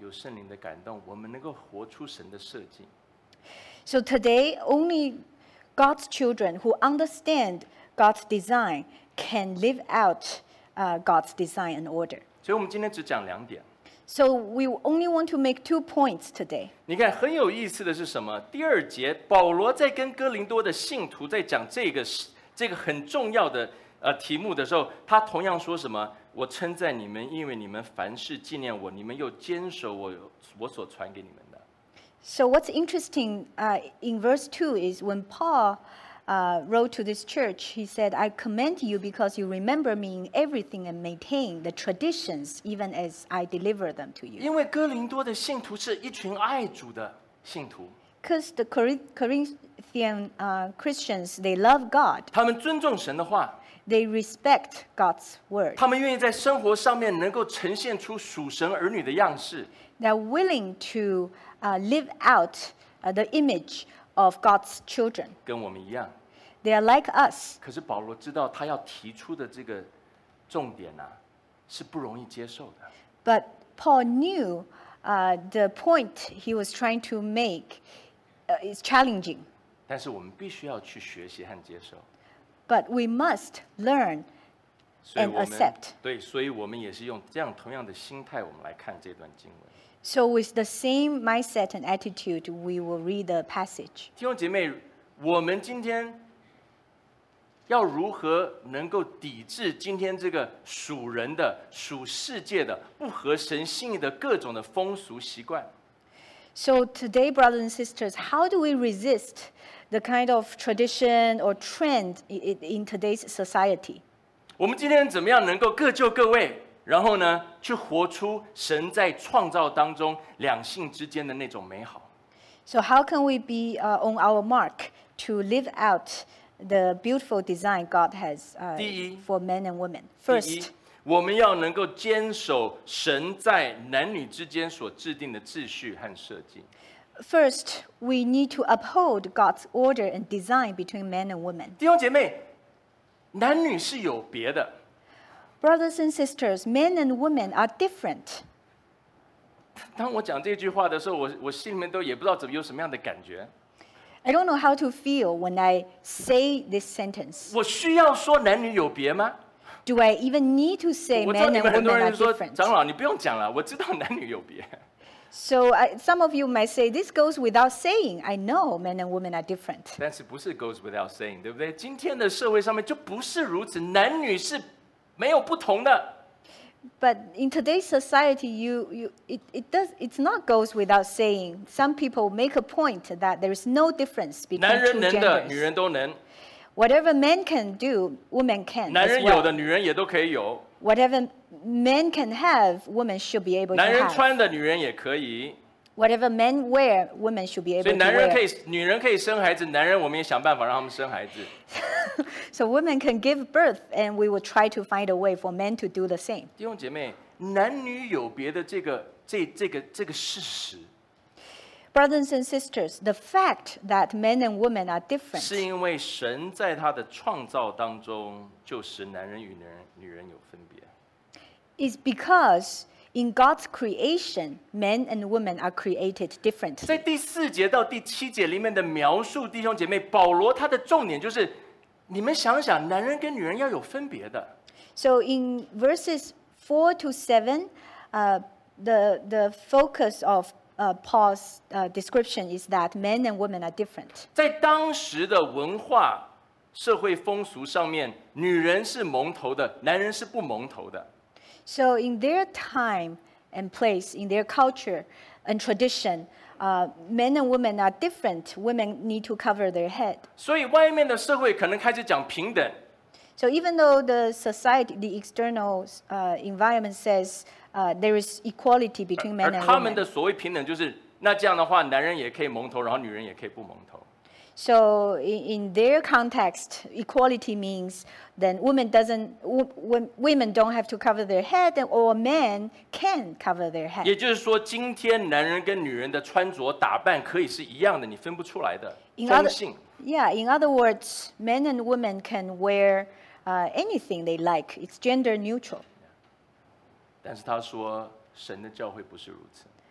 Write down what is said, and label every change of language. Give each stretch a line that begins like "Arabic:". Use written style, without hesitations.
Chinese: 弟兄姐妹，今天只有属神的儿女，因为有神的话，有圣灵的感动，我们能够活出神的设计。
English: So today, only God's children who understand God's design can live out God's design and order.
Chinese: 所以我们今天只讲两点。
English: So we only want to make two points today.
Chinese: 你看很有意思的是什么？第二节，保罗在跟哥林多的信徒在讲这个很重要的题目的时候，他同样说什么？我称赞你们，因为你们凡事纪念我，你们又坚守我所传给你们的。
English: So what's interesting, in verse 2 is when Paul wrote to this church, he said, I commend you because you remember me in everything and maintain the traditions even as I deliver them to you.
Chinese: 因为哥林多的信徒是一群爱主的信徒。
English: Because the Corinthian Christians, they love God.
Chinese: 他们尊重神的话。
English: They respect God's word.
Chinese: 他们愿意在生活上面能够呈现出属神儿女的样式。
English: They're willing to live out the image of God's children.
Chinese: 跟我们一样。
English: They are like us.
Chinese: 可是保罗知道他要提出的这个重点啊，是不容易接受的。
English: But Paul knew the point he was trying to make is challenging.
Chinese: 但是我们必须要去学习和接受。
English: But we must learn and accept.
Chinese: 对，所以我们也是用这样同样的心态，我们来看这段经文。
English: So with the same mindset and attitude, we will read the passage.
Chinese: 弟兄姐妹，我们今天要如何能够抵制今天这个属人的、属世界的、不合神心意的各种的风俗习惯？
English: So today, brothers and sisters, how do we resist the kind of tradition or trend in today's society?
Chinese: 我们今天怎么样能够各就各位？然后呢，去活出神在创造当中两性之间的那种美好。
English: So how can we be on our mark to live out the beautiful design God has for men and women? First,
Chinese: 第一，我们要能够坚守神在男女之间所制定的秩序和设计。
English: First, we need to uphold God's order and design between men and women.
Chinese: 弟兄姐妹，男女是有别的。
English: Brothers and sisters, men and women are different.
Chinese: 当我讲这句话的时候，我心里面都也不知道怎么有什么样的感觉。
English: I don't know how to feel when I say this sentence.
Chinese: 我需要说男女有别吗？
English: Do I even need to say men and women are different?
Chinese: 长老，你不用讲了，我知道男女有别。
English: So some of you might say this goes without saying. I know men and women are different.
Chinese: 但是不是
English: goes without saying,
Chinese: 对不对？今天的社会上面就不是如此，男女是。没有不同的。
English: But in today's society, it's not goes without saying. Some people make a point that there is no difference between two genders.
Chinese: 男人能的，女人都能。
English: Whatever men can do, women can.
Chinese: 男人有的，女人也都可以有。
English: Whatever men can have, women should be able to have.
Chinese: 男人穿的，女人也可以。
English: Whatever men wear, women should be able to wear.
Chinese: 所以男人可以，女人可以生孩子，男人我们也想办法让他们生孩子。
English: So women can give birth, and we will try to find a way for men to do the same.
Chinese: 弟兄姐妹，男女有别的这个事实。
English: Brothers and sisters, the fact that men and women are different.
Chinese: 是因为神在他的创造当中就使男人与女人有分别。
English: Is because in God's creation, men and women are created differently.
Chinese: 在第四节到第七节里面的描述，弟兄姐妹，保罗他的重点就是，你们想想，男人跟女人要有分别的。
English: So in verses 4 to 7, the focus of Paul's description is that men and women are different.
Chinese: 在当时的文化、社会风俗上面，女人是蒙头的，男人是不蒙头的。
English: So in their time and place, in their culture and tradition, men and women are different. Women need to cover their head.
Chinese: 所以外面的社会可能开始讲平等。
English: So even though the society, the external environment says there is equality between men and women.
Chinese: 而他们的所谓平等就是，那这样的话，男人也可以蒙头，然后女人也可以不蒙头。
English: So in their context, equality means then women don't have to cover their head, or men can cover their head.
Chinese: 也就是说，今天男人跟女人的穿着打扮可以是一样的，你分不出来的中性。
English: Yeah, in other words, men and women can wear anything they like. It's gender neutral.
Chinese: 但是他说，神的教会不是如此。